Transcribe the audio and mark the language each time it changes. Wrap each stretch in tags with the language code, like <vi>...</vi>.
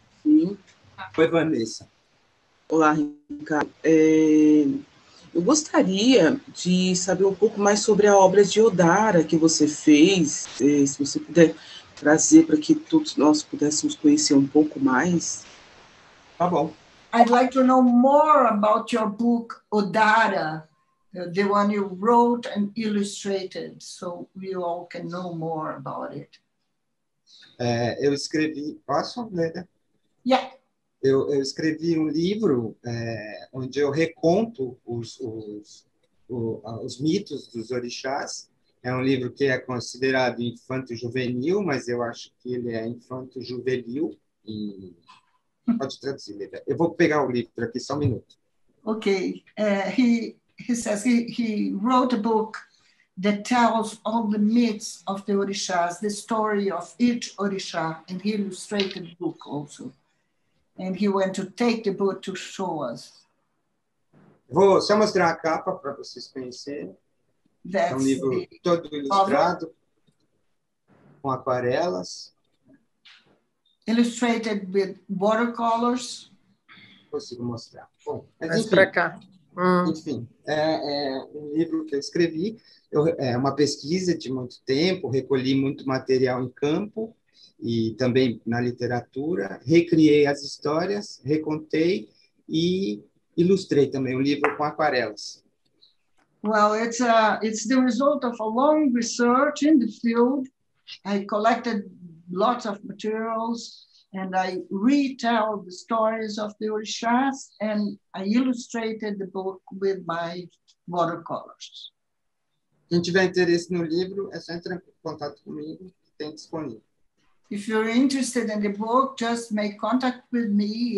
<pt>Sim. Oi, Vanessa. Olá, Ricardo. Eu gostaria de saber um pouco mais sobre a obra de Odara que você fez, se você puder trazer para que todos nós pudéssemos conhecer um pouco mais. Tá bom.</pt> <en>I'd like to know more about your book, Odara, the one you wrote and illustrated, so we all can know more about it.</en> <pt>Eu escrevi... Posso ler?</pt> <en>Yeah.</en> <pt>Eu escrevi um livro onde eu reconto os mitos dos orixás. É um livro que é considerado infanto-juvenil, mas eu acho que ele é infanto-juvenil. E... Pode traduzir, Leda. Eu vou pegar o livro aqui, só um minuto. Ok.</pt> <en>He says he wrote a book that tells all the myths of the orixás, the story of each orixá, and he illustrated the book also. And he went to take the book to show us.</en> <pt>Vou só mostrar a capa para vocês conhecerem.</pt> <en>That's</en> <pt>é um livro todo ilustrado, com aquarelas.</pt> <en>Illustrated with watercolors.</en> <pt>Consigo mostrar. Mas para cá. Enfim, é um livro que eu escrevi. É uma pesquisa de muito tempo, recolhi muito material em campo. E também na literatura, recriei as histórias, recontei e ilustrei também um livro com aquarelas.</pt> <en>Well, it's the result of a long research in the field. I collected lots of materials and I retell the stories of the orixás and I illustrated the book with my watercolors.</en> <pt>Quem tiver interesse no livro, é só entrar em contato comigo, tem disponível.</pt> <en>If you're interested in the book, just make contact with me.</en>